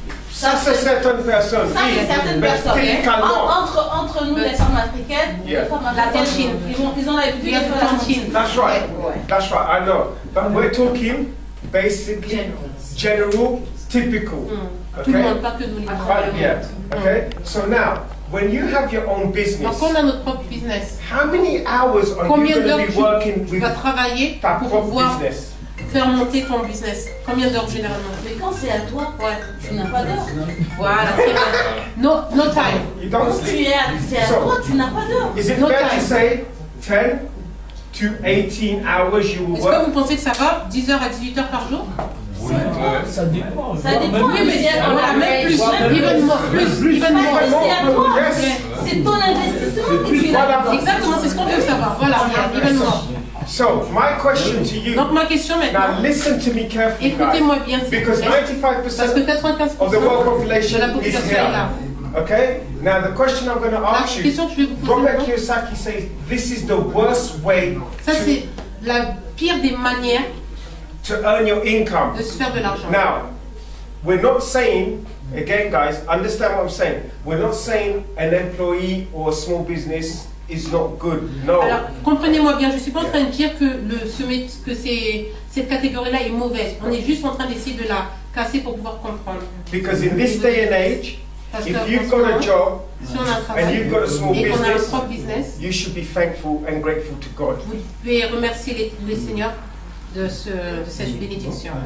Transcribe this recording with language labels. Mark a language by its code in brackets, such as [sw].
[fr] Entre nous, les femmes africaines, ils ont l'habitude de faire la tantine. [en] That's right. I know. But we're talking basically general, typical. Okay. [fr] Tout le monde, pas que nous, [en] okay. So now, When you have your own business, [fr] quand on a notre propre business, [en] how many hours are [fr] combien [en] you [fr] d'heures [en] be working [fr] tu vas travailler ta pour propre pouvoir [en] business? [fr] Faire monter ton business? Combien d'heures généralement? Mais quand c'est à toi, ouais, tu n'as pas d'heure. Voilà, c'est vrai. [en] No, no time. You don't sleep. [fr] C'est à toi, tu n'as pas d'heure. [en] Is it fair to say 10 to 18 hours you will [fr] work? Est-ce que vous pensez que ça va 10 heures à 18 heures par jour? Ça dépend. Ça dépend. Même plus. C'est ton investissement. Exactement, c'est ce qu'on veut savoir. Voilà, [en] even more. So my question to you. [fr] Donc ma question maintenant. [en] Now listen to me carefully. [fr] Écoutez-moi bien. [en] Because 95% of the world population is here. [fr] Là. [en] Okay. Now the question I'm going to ask [fr] la [en] you. [fr] La question que je vais vous poser. [en] Robert Kiyosaki says this is the worst way. [fr] Ça [en] to, [fr] c'est la pire des manières. [en] To earn your income. [fr] De se faire de l'argent. [en] Now, we're not saying. Again, guys, understand what I'm saying. We're not saying an employee or a small business. Is not good. No. [fr] Alors, comprenez-moi bien, je ne suis pas en train de dire que, cette catégorie-là est mauvaise. On est juste en train d'essayer de la casser pour pouvoir comprendre. [en] Because in this day and age, if you've got a job and you've got a small business, you should be thankful and grateful to God. [fr] Vous pouvez remercier le Seigneur de cette bénédiction.